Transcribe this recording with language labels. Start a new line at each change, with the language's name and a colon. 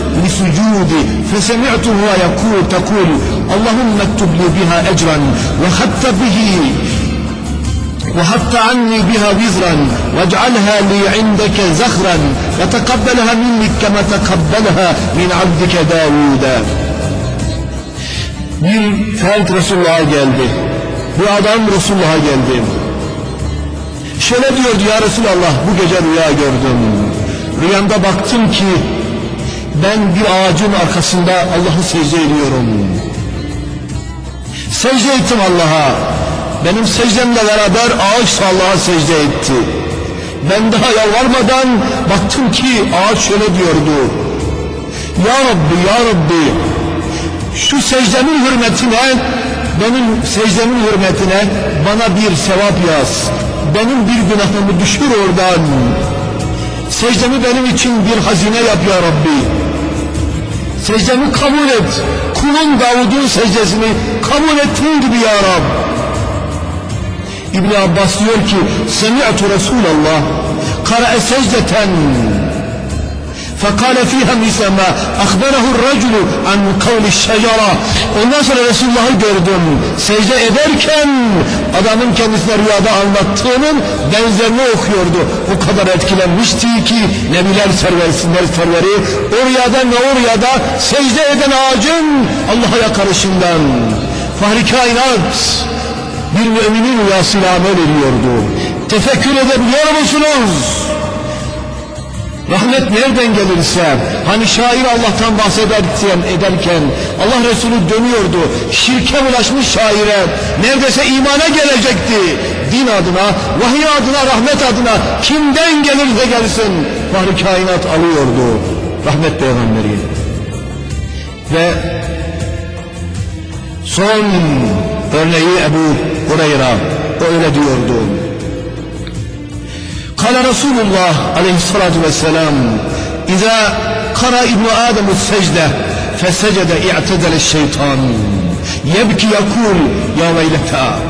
Arabic: لسجودي فسمعته يقول تقول اللهم اكتب لي بها أجرا وخدت به وحط عني بها وزرا واجعلها لي عندك زخرا وتقبلها منك كما تقبلها من عبدك داود.
Turkish: Bir felt Resulullah'a geldi. Bu adam Resulullah'a geldi. Şöyle diyordu: ya Resulallah, bu gece rüya gördüm. Rüyamda baktım ki ben bir ağacın arkasında Allah'ı secde ediyorum. Secde ettim Allah'a. Benim secdemle beraber ağaç da Allah'a secde etti. Ben daha yalvarmadan baktım ki ağaç şöyle diyordu: ya Rabbi, ya Rabbi, şu secdemin hürmetine, benim secdemin hürmetine bana bir sevap yaz. Benim bir günahımı düşür oradan. Secdemi benim için bir hazine yap ya Rabbi. Secdemi kabul et. Kulun Davud'un secdesini kabul ettiğin gibi ya Rab. İbn-i Abbas diyor ki:
Arabic: Semi'tu Resulallah kara'e secdeten. فقال فيها مثلما أخبره الرجل عن قول الشجرة.
Turkish: Ondan sonra Resulullah'ı gördüm. Secde ederken adamın kendisine rüyada anlattığının benzerini okuyordu. O kadar etkilenmişti ki nebiler serverisinden serveri o rüyada ve o rüyada secde eden ağacın Allah'a yakarışından. Fahri kainat bir müminin rüyasıyla amel ediyordu. Tefekkür edebiliyor musunuz? Rahmet nereden gelirse, hani şair Allah'tan bahsederken Allah Resulü dönüyordu, şirke bulaşmış şaire, neredeyse imana gelecekti. Din adına, vahiy adına, rahmet adına kimden gelirse gelsin fahri kainat alıyordu rahmet peygamberi. Ve son örneği Ebu Hureyre, öyle diyordu:
Arabic: قال رسول الله عليه الصلاة والسلام إذا قرأ ابن آدم السجدة فسجد اعتدل الشيطان يبكي يقول يا ويلتا.